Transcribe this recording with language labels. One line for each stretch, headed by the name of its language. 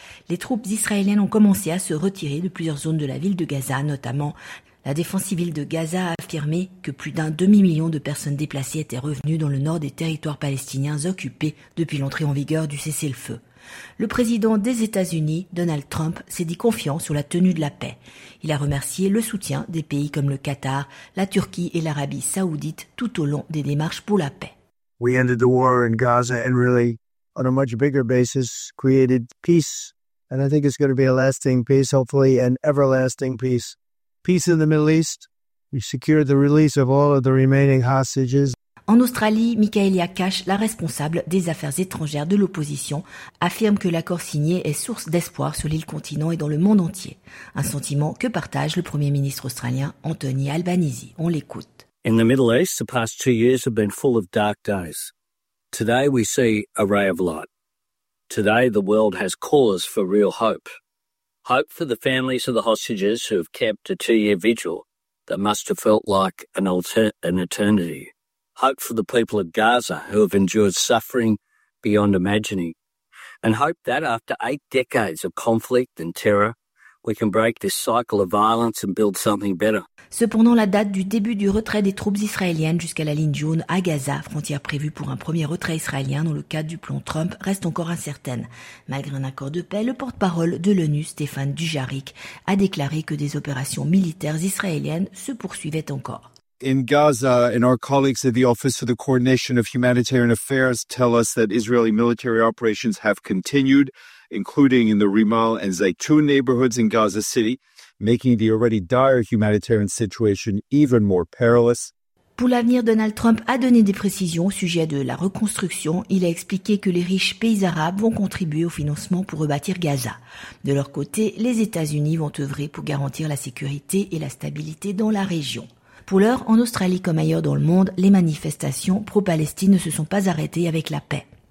French: Les troupes israéliennes ont commencé à se retirer de plusieurs zones de la ville de Gaza, notamment la défense civile de Gaza a affirmé que plus d'un demi-million de personnes déplacées étaient revenues dans le nord des territoires palestiniens occupés depuis l'entrée en vigueur du cessez-le-feu. Le président des États-Unis, Donald Trump, s'est dit confiant sur la tenue de la paix. Il a remercié le soutien des pays comme le Qatar, la Turquie et l'Arabie Saoudite tout au long des démarches pour la paix.
English: We ended the war in Gaza and really, on a much bigger basis, created peace. And I think it's going to be a lasting peace, hopefully an everlasting peace. Peace in the Middle East. We secured the release of all of the remaining hostages.
French: En Australie, Michaelia Cash, la responsable des affaires étrangères de l'opposition, affirme que l'accord signé est source d'espoir sur l'île continent et dans le monde entier. Un sentiment que partage le Premier ministre australien Anthony Albanese. On l'écoute.
English: In the Middle East, the past 2 years have been full of dark days. Today, we see a ray of light. Today, the world has cause for real hope. Hope for the families of the hostages who have kept a 2-year vigil that must have felt like an eternity. Hope for the people of Gaza who have endured suffering beyond imagining. And hope that after 8 decades of conflict and terror, we can break this cycle of violence and build something better.
French: Cependant, la date du début du retrait des troupes israéliennes jusqu'à la ligne jaune à Gaza, frontière prévue pour un premier retrait israélien dans le cadre du plan Trump, reste encore incertaine. Malgré un accord de paix, le porte-parole de l'ONU, Stéphane Dujarric, a déclaré que des opérations militaires israéliennes se poursuivaient encore.
English: In Gaza, and our colleagues at the Office for the Coordination of Humanitarian Affairs tell us that Israeli military operations have continued, including in the Rimal and Zaytun neighborhoods in Gaza City, making the already dire humanitarian situation even more perilous.
French: Pour l'avenir, Donald Trump a donné des précisions au sujet de la reconstruction. Il a expliqué que les riches pays arabes vont contribuer au financement pour rebâtir Gaza. De leur côté, les États-Unis vont œuvrer pour garantir la sécurité et la stabilité dans la région. Pour l'heure, en Australie comme ailleurs dans le monde, les manifestations pro-Palestine ne se sont pas arrêtées avec la paix.